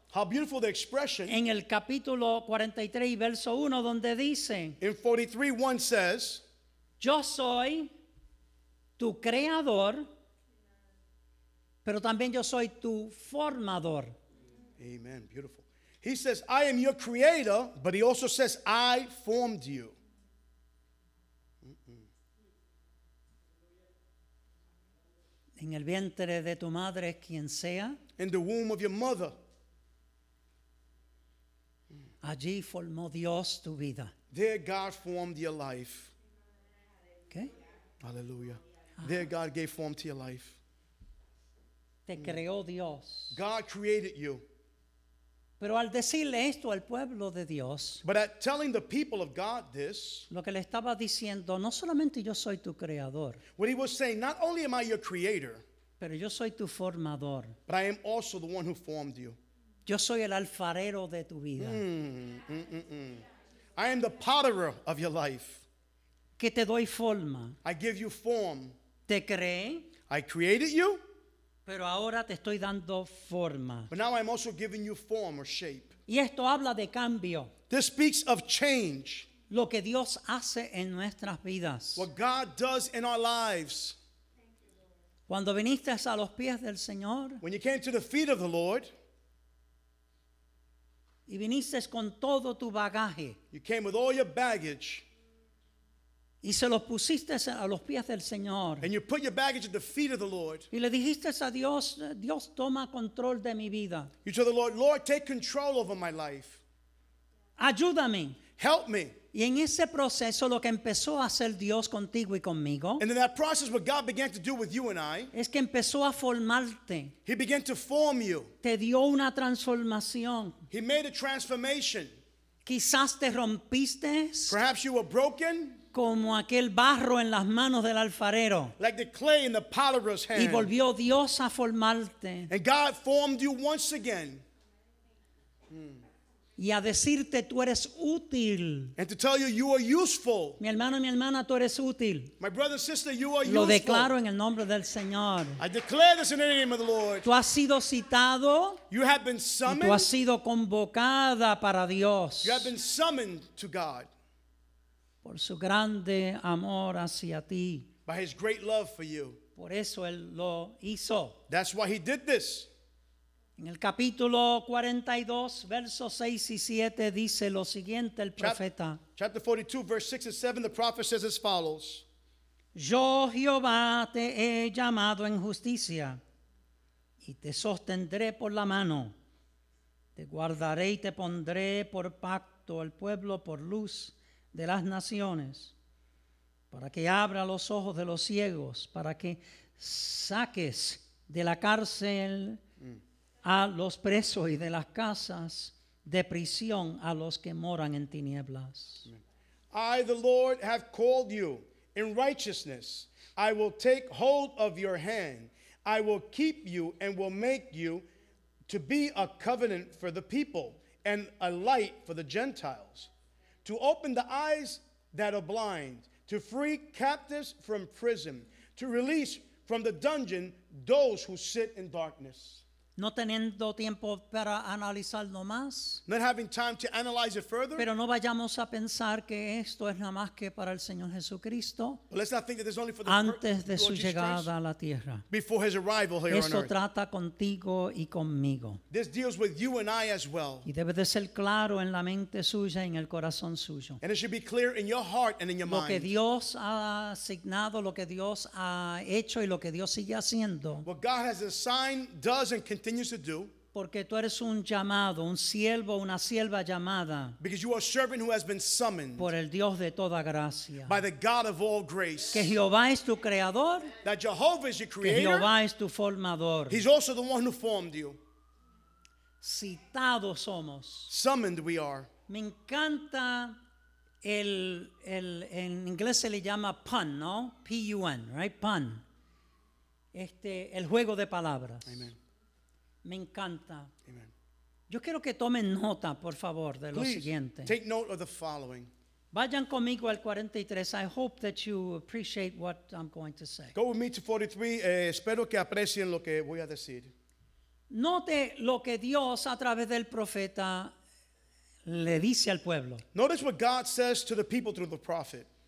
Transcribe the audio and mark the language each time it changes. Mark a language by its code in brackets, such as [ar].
[en] How beautiful the expression. [es] En el capítulo 43 y verso 1 donde dice. [en] In 43, 1 says. [es] Yo soy tu creador, pero también yo soy tu formador. [en] Amen, beautiful. He says, I am your creator, but he also says, I formed you. [es] En el vientre de tu madre, quien sea. [en] In the womb of your mother. [es] Allí formó Dios tu vida. [en] There God formed your life. Okay. Hallelujah. There God gave form to your life. [es] Te creó Dios. [en] God created you. [es] Pero al decirle esto al pueblo de Dios, [en] but at telling the people of God this, [es] lo que le estaba diciendo, no solamente yo soy tu creador, [en] what he was saying, not only am I your creator, [es] pero yo soy tu formador, [en] but I am also the one who formed you. [es] Yo soy el alfarero de tu vida. [en] I am the potter of your life. [es] Que te doy forma. [en] I give you form. [es] Te creé. [en] I created you. [es] Pero ahora te estoy dando forma. [en] But now I'm also giving you form or shape. [es] Y esto habla de cambio. [en] This speaks of change. [es] Lo que Dios hace en nuestras vidas. [en] What God does in our lives. [es] Cuando viniste a los pies del Señor. [en] When you came to the feet of the Lord. [es] Y viniste con todo tu bagaje. [en] You came with all your baggage. [es] Y se los pusiste a los pies del Señor. [en] And you put your baggage at the feet of the Lord. [es] Y le dijiste a Dios, Dios toma control de mi vida. [en] You told the Lord, Lord, take control over my life. [es] Ayúdame. [en] Help me. [es] Y en ese proceso lo que empezó a hacer Dios contigo y conmigo. [en] And in that process what God began to do with you and I. [es] Es que empezó a formarte. [en] He began to form you. [es] Te dio una transformación. [en] He made a transformation. [es] Quizás te rompiste. [en] Perhaps you were broken. [es] Como aquel barro en las manos del alfarero. [en] Like the clay in the potter's hand. [es] Y volvió Dios a formarte. [en] And God formed you once again. [es] Y a decirte tú eres útil. [en] And to tell you you are useful. [es] Mi hermano, mi hermana, tú eres útil. [en] My brother, sister, you are [es] Lo Lo declaro en el nombre del Señor. [en] I declare this in the name of the Lord. [es] Tú has sido citado. [en] You have been summoned. [es] Y tú has sido convocada para Dios. [en] You have been summoned to God. [es] Por su grande amor hacia ti. [en] By his great love for you. [es] Por eso él lo hizo. [en] That's why he did this. [es] En el capítulo 42, versos 6 y 7, dice lo siguiente el profeta. [en] Chapter 42, verse 6 and 7, the prophet says as follows. [es] Yo, Jehová, te he llamado en justicia, y te sostendré por la mano. Te guardaré y te pondré por pacto el pueblo por luz de las naciones, para que abra los ojos de los ciegos, para que saques de la cárcel a los presos y de las casas de prisión a los que moran en tinieblas. [en] I, the Lord, have called you in righteousness. I will take hold of your hand. I will keep you and will make you to be a covenant for the people and a light for the Gentiles. To open the eyes that are blind, to free captives from prison, to release from the dungeon those who sit in darkness. [es] No teniendo tiempo para analizarlo más. [en] Not having time to analyze it further. [es] Pero no vayamos a pensar que esto es nada más que para el Señor Jesucristo. [en] But let's not think that this is only for the [es] antes de su llegada a la tierra. [en] Before his arrival here on earth. [es] Esto trata contigo y conmigo. [en] This deals with you and I as well. [es] Y debe de ser claro en la mente suya y en el corazón suyo. [en] And it should be clear in your heart and in your [es] lo [en] mind. [es] Lo que Dios ha asignado, lo que Dios ha hecho y lo que Dios sigue haciendo. [en] What God has assigned, does, and continues to do. [es] Porque tú eres un llamado, un siervo, una sierva llamada. [en] Because you are a servant who has been summoned. [es] Por el Dios de toda gracia. [en] By the God of all grace. [es] Que Jehová es tu creador. [en] That Jehovah is your creator. [es] Que Jehová es tu formador. [en] He's also the one who formed you. [es] Citados somos. [en] Summoned we are. [es] Me encanta el en inglés se le llama pun, ¿no? [en] P-U-N, right? Pun. [es] El juego de palabras. Amen. Me encanta. Amen. Yo quiero que tomen nota, por favor, de [en] please, [es] lo siguiente. [en] Take note of the following. [es] Vayan conmigo al 43. [en] I hope that you appreciate what I'm going to say. Go with me to 43. [es] Espero que aprecien lo que voy a decir. Note lo que Dios a través del profeta le dice al pueblo. [en] Notice what God says to the people through the prophet.